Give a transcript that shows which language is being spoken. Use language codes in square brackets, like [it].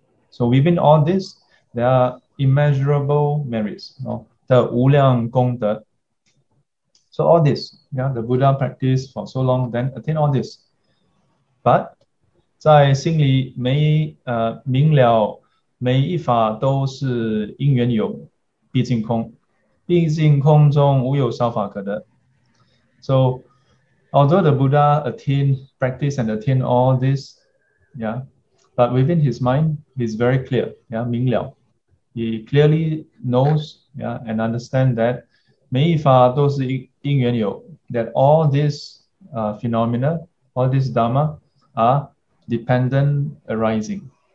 [en] So within all this, there are immeasurable merits, the 无量功德. So all this, the Buddha practiced for so long, then attain all this. [zh] But 在心里明了，每一法都是因缘有，毕竟空，毕竟空中无有少法可得. [en] So although the Buddha practiced and attained all this, but within his mind, he's very clear, 明了. He clearly knows, and understand that [zh] 每一法都是因缘有, [en] that all these phenomena, all this dharma are dependent arising.